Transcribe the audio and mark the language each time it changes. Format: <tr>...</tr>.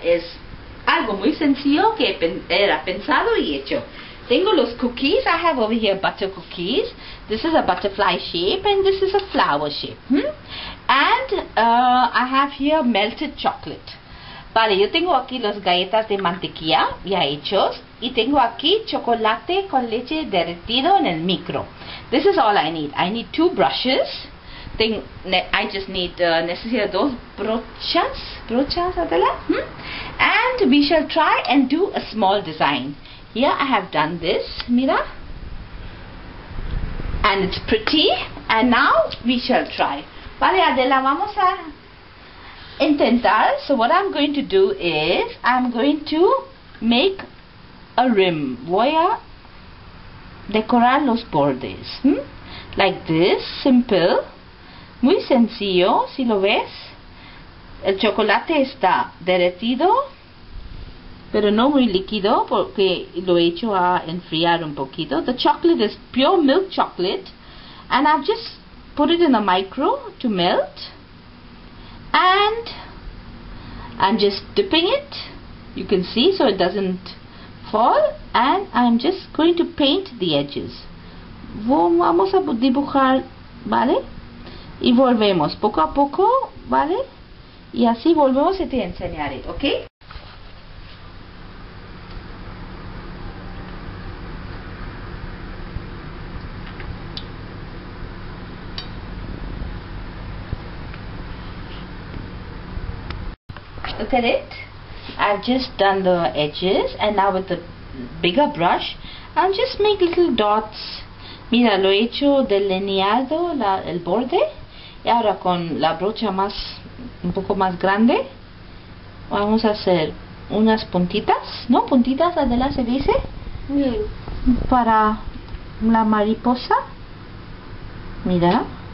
<es>Es algo muy sencillo que era pensado y hecho. Tengo los cookies.</es> <en>I have over here butter cookies. This is a butterfly shape and this is a flower shape. And I have here melted chocolate.</en> <es>Vale, yo tengo aquí las galletas de mantequilla ya hechos y tengo aquí chocolate con leche derretido en el micro.</es> <en>This is all I need. I need two brushes. I just need</en> <es>necesito dos brochas, Adela.</es> <en>And we shall try and do a small design. Here I have done this, mira, and it's pretty. And now we shall try.</en> <es>Vale, Adela, vamos a intentar.</es> <en>So what I'm going to do is I'm going to make a rim.</en> <es>Voy a decorar los bordes,</es> <en>like this, simple.</en> <es>Muy sencillo, si lo ves. El chocolate está derretido, pero no muy líquido porque lo he hecho a enfriar un poquito.</es> <en>The chocolate is pure milk chocolate and I've just put it in a micro to melt. And I'm just dipping it. You can see so it doesn't fall and I'm just going to paint the edges.</en> <es>Vamos a dibujar, ¿vale? Y volvemos poco a poco, ¿vale? Y así volvemos y te enseñaré, ¿ok?</es> <en>Look at it. I've just done the edges and now with the bigger brush, I'll just make little dots.</en> <es>Mira, lo he hecho delineado el borde. Y ahora con la brocha más, un poco más grande, vamos a hacer unas puntitas, ¿no? Puntitas, Adela, ¿se dice? Sí. Para la mariposa. Mira.</es>